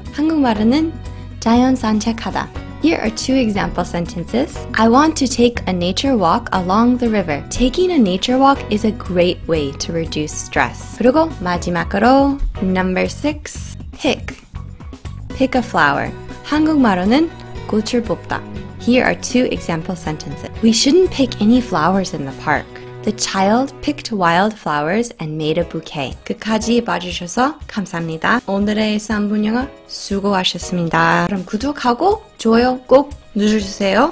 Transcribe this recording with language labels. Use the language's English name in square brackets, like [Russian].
[Korean] 한국말로는 자연 산책하다. [English] Here are two example sentences. I want to take a nature walk along the river. Taking a nature walk is a great way to reduce stress. 그리고 마지막으로 6. pick. Pick a flower. 한국말로는 꽃을 뽑다. Here are two example sentences. We shouldn't pick any flowers in the park. The child picked wild flowers and made a bouquet. [Korean] 끝까지 봐주셔서 감사합니다. 오늘의 3분 영어 수고하셨습니다. 그럼 구독하고 좋아요 꼭 눌러주세요.